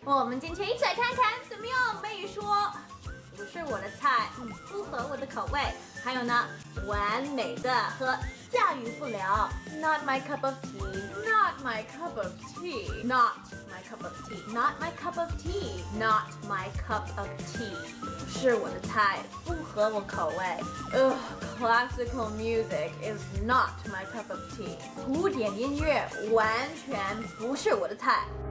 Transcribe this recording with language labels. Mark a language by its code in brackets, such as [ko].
[zh] 我们今天一起来看看怎么用美语说“不是我的菜”“不合我的口味”，还有呢，“完美的”和“驾驭不了”。 [en] Not my cup of tea. Not my cup of tea. Not my cup of tea. Not my cup of tea. Not my cup of tea. [zh] 不是我的菜，不合我口味。 [en] Classical music is not my cup of tea. [zh] 古典音乐完全不是我的菜。